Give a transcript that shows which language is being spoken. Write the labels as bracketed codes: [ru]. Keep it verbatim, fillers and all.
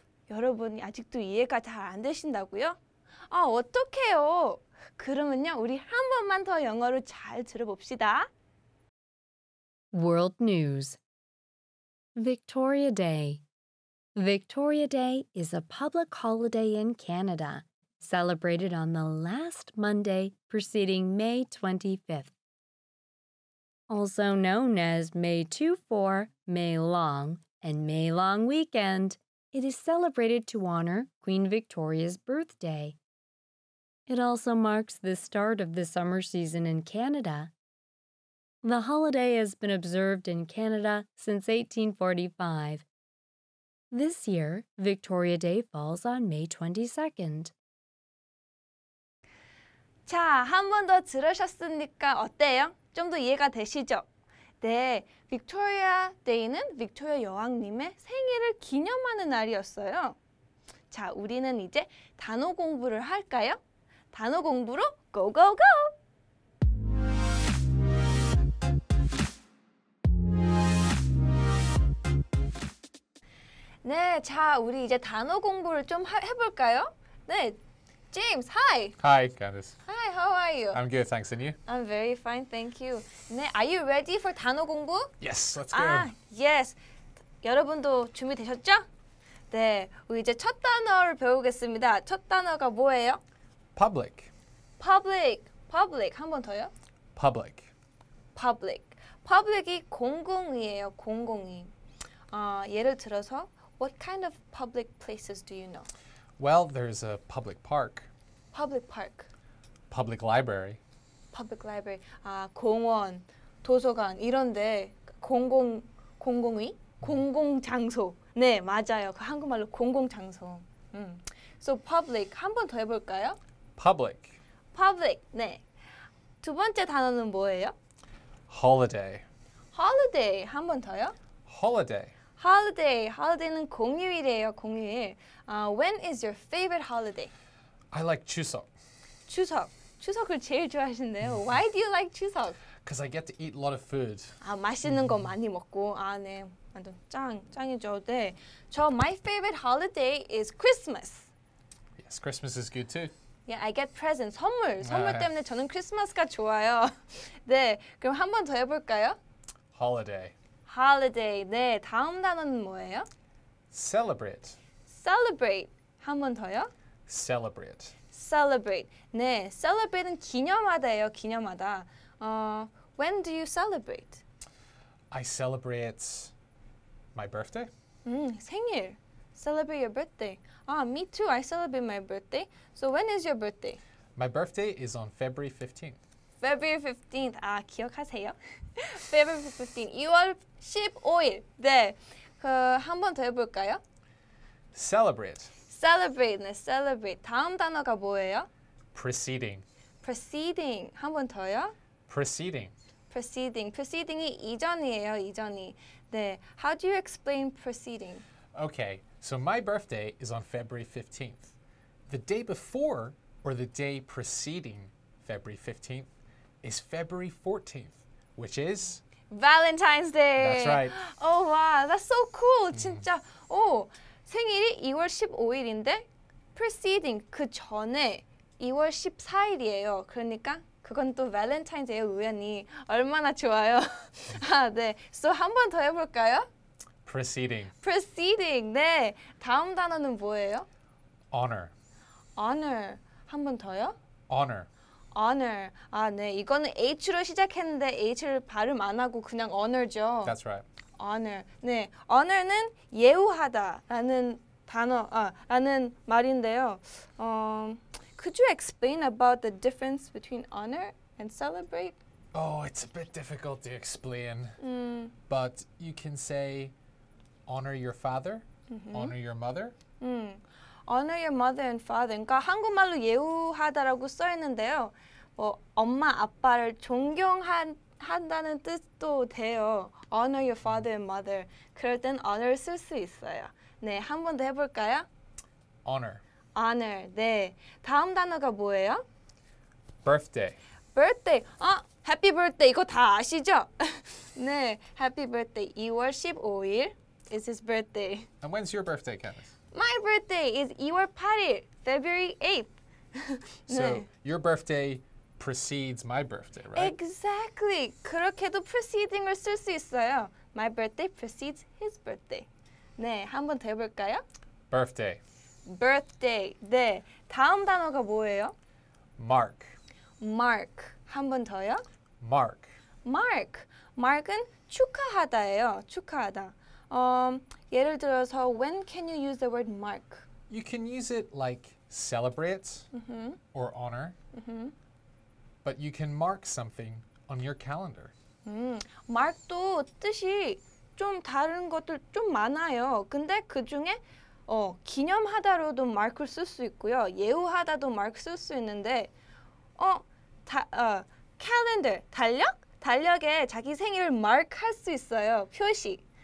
[ko] 여러분이 아직도 이해가 잘 안 되신다고요? 아, 어떡해요. 그러면요, 우리 한 번만 더 영어로 잘 들어봅시다. [en] World News Victoria Day Victoria Day is a public holiday in Canada, celebrated on the last Monday preceding May twenty-fifth. Also known as May twenty-fourth, May Long, and May Long Weekend, it is celebrated to honor Queen Victoria's birthday. It also marks the start of the summer season in Canada. The holiday has been observed in Canada since eighteen forty-five. This year, Victoria Day falls on May twenty-second. [ko] 자, 한 번 더 들으셨으니까 어때요? 좀 더 이해가 되시죠? 네, 빅토리아 데이는 빅토리아 여왕님의 생일을 기념하는 날이었어요. 자, 우리는 이제 단어 공부를 할까요? 단어 공부로 고고고! 네, 자, 우리 이제 단어 공부를 좀 하, 해볼까요? [en] 네, James, hi! Hi, Candice. Hi, how are you? I'm good, thanks. And you? I'm very fine, thank you. 네, are you ready for [ko] 단어 공부? [en] Yes, let's go. [ko] 아, [en] yes. [ko] 여러분도 준비되셨죠? 네, 우리 이제 첫 단어를 배우겠습니다. 첫 단어가 뭐예요? [en] Public. [ko] Public. Public. 한 번 더요. [en] Public. Public. [ko] Public이 공공이에요. 공공이. 어, 예를 들어서 [en] What kind of public places do you know? Well, there's a public park. Public park. Public library. Public library. [ko] 아, 공원, 도서관 이런데 공공 공공이 공공 장소. 네, 맞아요. 그 한국말로 공공 장소. 음. [en] So [ko] public 한 번 더 해볼까요? [en] Public. [ko] Public. 네. 두 번째 단어는 뭐예요? [en] Holiday. [ko] Holiday. 한 번 더요. [en] Holiday. Holiday. [ko] Holiday는 공휴일이에요. 공휴일. [en] Uh, when is your favorite holiday? I like Chuseok. [ko] 추석. 추석을 제일 좋아하시는데요. [en] Why do you like 추석? Because I get to eat a lot of food. [ko] 아, 맛있는 거 많이 먹고. 아, 네. 완전 짱. 짱이죠. 네. 저 [en] my favorite holiday is Christmas. Yes, Christmas is good too. Yeah, I get presents. [ko] 선물. 선물 때문에 저는 크리스마스가 좋아요. 네. 그럼 한 번 더 해 볼까요? [en] Holiday. [ko] Holiday. 네. 다음 단어는 뭐예요? [en] Celebrate. [ko] Celebrate. 한 번 더요? [en] Celebrate. Celebrate. 네. [ko] celebrate는 기념하다예요. 기념하다. 어, [en] when do you celebrate? I celebrate my birthday. [ko] 음, 생일. [en] Celebrate your birthday. Ah, me too. I celebrate my birthday. So when is your birthday? My birthday is on February fifteenth. February fifteenth. [ko] 아, 기억하세요? [en] February fifteenth. [ko] 이월 십오일. 네. 그, 한 번 더 해볼까요? [en] Celebrate. [ko] Celebrate. 네, celebrate. 다음 단어가 뭐예요? [en] Preceding. [ko] Preceding. 한 번 더요? [en] Preceding. Preceding. [ko] Preceding이 이전이에요. 이전이. 네. [en] How do you explain preceding? Okay, so my birthday is on February fifteenth. The day before or the day preceding February fifteenth is February fourteenth, which is Valentine's Day. That's right. Oh wow, that's so cool. [ko] 진짜. 오, 생일이 이월 십오일인데 preceding 그 전에 이월 십사일이에요. 그러니까 그건 또 발렌타인데이의 우연이 얼마나 좋아요. 아, 네. [en] So [ko] 한 번 더 해볼까요? [en] Preceding. [ko] Preceding. 네. 다음 단어는 뭐예요? [en] Honor. [ko] Honor. 한 번 더요? [en] Honor. [ko] Honor. 아, 네. 이거는 H로 시작했는데 H를 발음 안 하고 그냥 honor죠. [en] That's right. Honor. 네. [ko] Honor는 예우하다라는 단어, 아, 라는 말인데요. [en] 어, could you explain about the difference between honor and celebrate? Oh, it's a bit difficult to explain. Mm. But you can say honor your father, mm-hmm. honor your mother. Mm. Honor your mother and father. [ko] 그러니까 한국말로 예우하다라고 써 있는데요. 뭐 엄마, 아빠를 존경한다는 뜻도 돼요. [en] Honor your father and mother. [ko] 그럴 땐 honor를 쓸 수 있어요. 네, 한 번 더 해볼까요? [en] Honor. [ko] Honor. 네. 다음 단어가 뭐예요? [en] Birthday. [ko] Birthday. 아, [en] Happy Birthday. [ko] 이거 다 아시죠? 네, Happy Birthday. 이월 십오일 [en] is his birthday. And when's your birthday, Candice? My birthday is [ko] 이월 팔일, [en] February eighth. [ko] 네. [en] So your birthday precedes my birthday, right? Exactly. [ko] 그렇게도 preceding을 쓸 수 있어요. [en] My birthday precedes his birthday. [ko] 네, 한 번 더 해볼까요? [en] Birthday. [ko] Birthday. 네, 다음 단어가 뭐예요? [en] Mark. [ko] Mark. 한 번 더요? [en] Mark. Mark. [ko] Mark은 축하하다예요. 축하하다. [en] Um, [ko] 예를 들어서 [en] when can you use the word mark? You can use it like celebrate mm-hmm. or honor, mm-hmm. but you can mark something on your calendar. [ko] 음, mark도 뜻이 좀 다른 것들 좀 많아요. 근데 그 중에 어, 기념하다로도 mark을 쓸 수 있고요. 예우하다도 mark 쓸 수 있는데 어, 다, 어, calendar, 달력? 달력에 자기 생일을 mark 할 수 있어요. 표시.